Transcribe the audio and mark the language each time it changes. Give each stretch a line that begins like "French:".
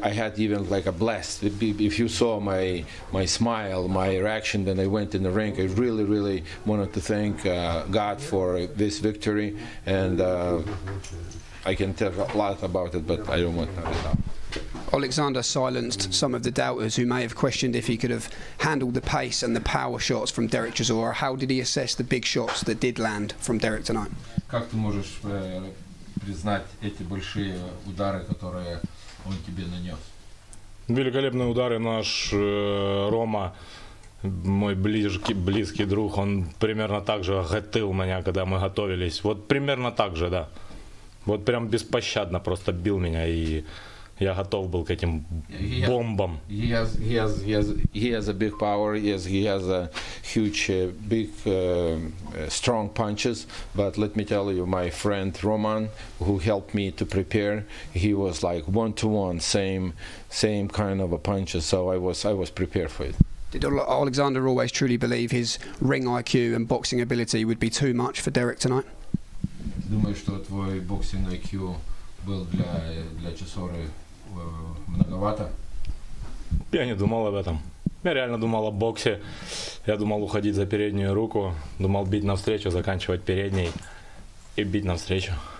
English: I had even like a blast. If you saw my smile, my reaction when I went in the ring, I really really wanted to thank God for this victory. And I can tell a lot about it, but I don't want to talk. Alexander silenced some of the doubters who may have questioned if he could have handled the pace and the power shots from Derek Chisora. How did he assess the big shots that did land from Derek tonight?
Russian: Как ты можешь признать эти большие удары, которые он тебе нанес? Великолепные удары наш Рома, мой близкий друг, он примерно так же готовил меня, когда мы готовились. Вот примерно так же, да. Вот прям беспощадно просто бил меня и... Я готов был к этим бомбам.
English: He has a big power. Yes, he has a huge, big, strong punches. But let me tell you, my friend Roman, who helped me to prepare, he was like one to one, same kind of a punches. So I was prepared for it. Did Alexander always truly believe his ring IQ and boxing ability would be too much for Derek tonight?
Russian: Думаю, что твой боксинг IQ был для Чесоры многовато? Я не думал об этом. Я реально думал о боксе. Я думал уходить за переднюю руку. Думал бить навстречу, заканчивать передней и бить навстречу.